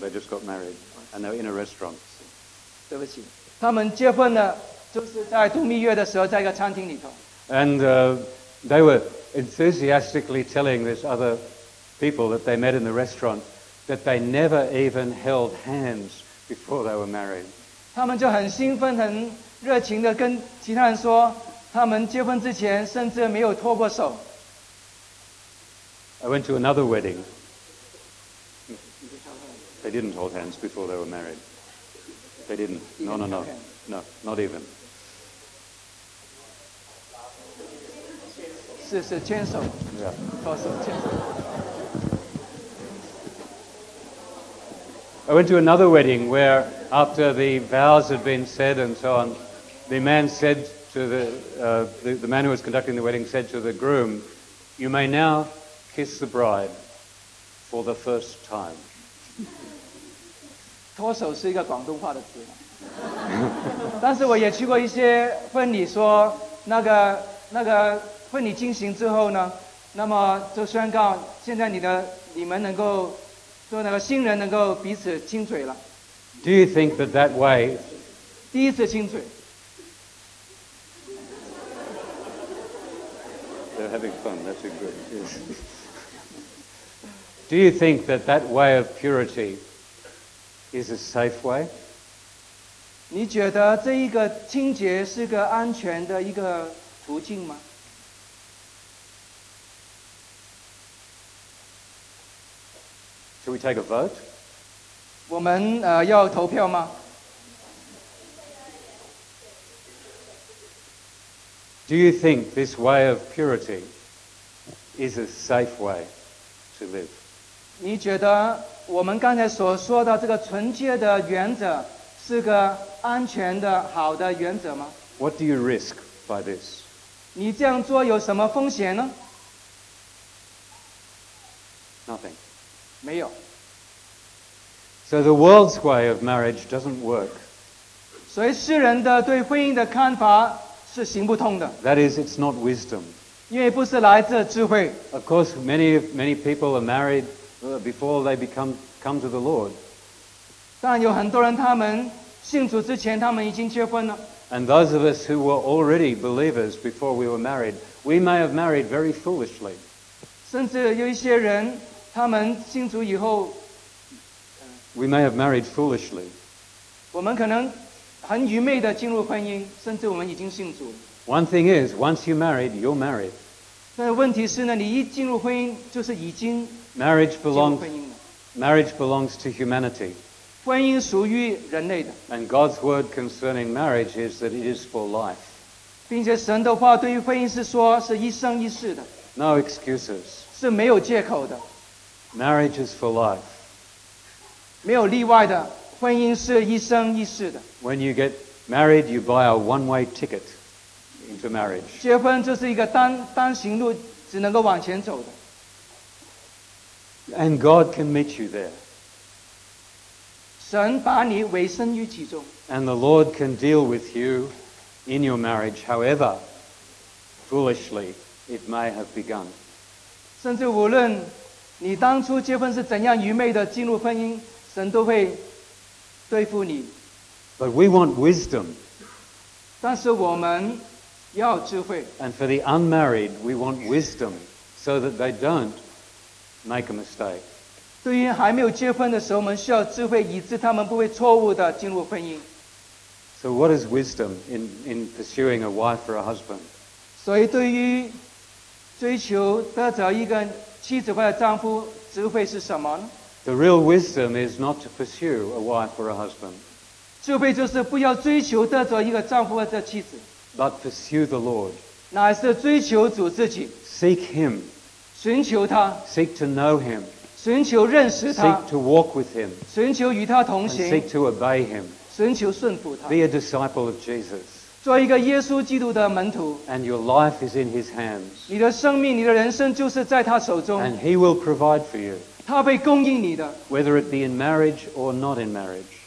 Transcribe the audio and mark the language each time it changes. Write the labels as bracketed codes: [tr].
[en] They just got married, and they were in a restaurant. [zh] 对不起，他们结婚了，就是在度蜜月的时候，在一个餐厅里头。 [en] And they were enthusiastically telling this other people that they met in the restaurant that they never even held hands before they were married. [zh] 他们就很兴奋、很热情地跟其他人说，他们结婚之前甚至没有握过手。 [en] I went to another wedding. They didn't hold hands before they were married. They didn't. No, not even. [zh] 是牵手。 [en] Yeah. [zh] 握手牵手。 [en] I went to another wedding where after the vows had been said and so on, the man said to the man who was conducting the wedding said to the groom, you may now kiss the bride for the first time. [zh] 脱手是一个广东话的词。但是我也去过一些婚礼说那个婚礼进行之后呢，那么就宣告现在你们能够说那个新人能够彼此亲嘴了。 [en] Do you think that that way? [zh] 第一次亲嘴。 [en] They're having fun. That's a good. Do you think that that way of purity is a safe way? [zh] 你觉得这一个清洁是个安全的一个途径吗？ [en] Should we take a vote? [zh] 我们要投票吗？ [en] Do you think this way of purity is a safe way to live? [zh] 你觉得我们刚才所说的这个纯洁的原则是个安全的好的原则吗？ [en] What do you risk by this? [zh] 你这样做有什么风险呢？ [en] Nothing. [zh] 没有。 [en] So the world's way of marriage doesn't work. [zh] 所以世人的对婚姻的看法是行不通的。 [en] That is, it's not wisdom. [zh] 因为不是来自智慧。 [en] Of course, many people are married before they come to the Lord. [zh] 但有很多人他们信主之前他们已经结婚了。 [en] And those of us who were already believers before we were married, we may have married very foolishly. [zh] 甚至有一些人他们信主以后 [en] We may have married foolishly. [zh] 我们可能很愚昧地进入婚姻，甚至我们已经信主。 [en] One thing is, once you're married, you're married. [zh] 但问题是呢，你一进入婚姻就是已经进入婚姻。 [en] Marriage belongs to humanity. [zh] 婚姻属于人类的。 [en] And God's word concerning marriage is that it is for life. [zh] 并且神的话对于婚姻是说是一生一世的。 [en] No excuses. [zh] 是没有借口的。 [en] Marriage is for life. [zh] 没有例外的，婚姻是一生一世的。 [en] When you get married, you buy a one-way ticket into marriage. [zh] 结婚就是一个单行路，只能够往前走的。 [en] And God can meet you there. [zh] 神把你委身于其中。 [en] And the Lord can deal with you in your marriage, however foolishly it may have begun. [zh] 甚至无论你当初结婚是怎样愚昧的进入婚姻。神都会对付你。 [en] But we want wisdom. [zh] 但是我们要智慧。 [en] And for the unmarried, we want wisdom so that they don't make a mistake. [zh] 对于还没有结婚的时候，我们需要智慧，以致他们不会错误地进入婚姻。 [en] So what is wisdom in pursuing a wife or a husband? [zh] 所以对于追求得着一个妻子或者丈夫，智慧是什么呢？ [en] The real wisdom is not to pursue a wife or a husband. [zh] 智慧就是不要追求得着一个丈夫或者妻子。 [en] But pursue the Lord. [zh] 乃是追求主自己。 [en] Seek Him. [zh] 寻求他。 [en] Seek to know Him. [zh] 寻求认识他。 [en] Seek to walk with Him. [zh] 寻求与他同行。 [en] And seek to obey Him. [zh] 寻求顺服他。 [en] Be a disciple of Jesus. [zh] 做一个耶稣基督的门徒。 [en] And your life is in His hands. [zh] 你的生命，你的人生就是在他手中。 [en] And He will provide for you. [zh] 他会供应你的 [en] whether it be in marriage or not in marriage